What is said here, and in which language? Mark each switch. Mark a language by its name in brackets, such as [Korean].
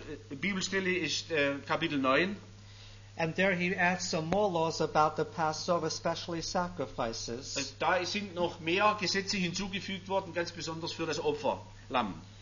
[German] Bibelstelle ist Kapitel 9. [English] And there he adds some more laws about the Passover, especially sacrifices. [German] Da sind noch mehr Gesetze hinzugefügt worden, ganz besonders für das Opferlamm.